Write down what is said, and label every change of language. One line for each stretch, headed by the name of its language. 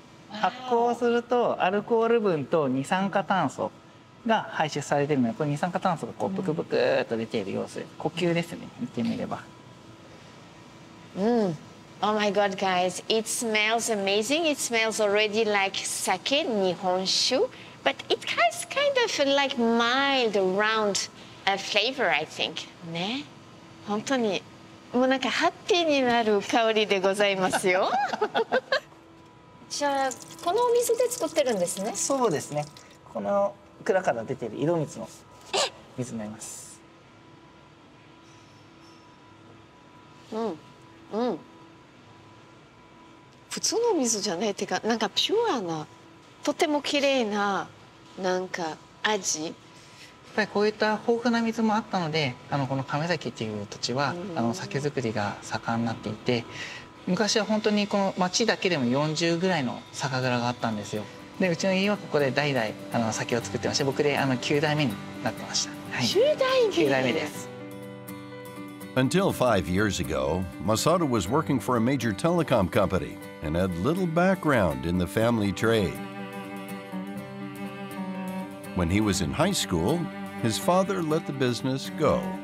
Japanese: 発酵するとアルコール分と二酸化炭素が排出されているので、これ二酸化炭素がこうブクブクっと出ている様子、呼吸ですね、見てみれば。
English: うん、Oh my God, guys, it smells amazing. It smells already like sake, nihonshu, but it has kind of like mild, round flavor, I think.
Japanese: ね、本当に、もうなんかハッピーになる香りでございますよ。じゃあ、このお水で作ってるんですね。そうですね。この蔵から出ている井戸水の水になります。うん、うん。普通の水じゃないっていうか、なんかピュアな、とても綺麗な、なんか味。やっぱりこういった豊富な水もあったので、この亀崎っていう土地は、酒造りが盛んになっていて、昔は本当にこの町だけでも40ぐらいの酒蔵があったんですよ。で、うちの家はここで代々酒を作ってまして、僕で9代目になってました。はい、9代目 ?9 代目です。
English: Until 5 years ago, Masato was working for a major telecom company and had little background in the family trade. When he was in high school, his father let the business go.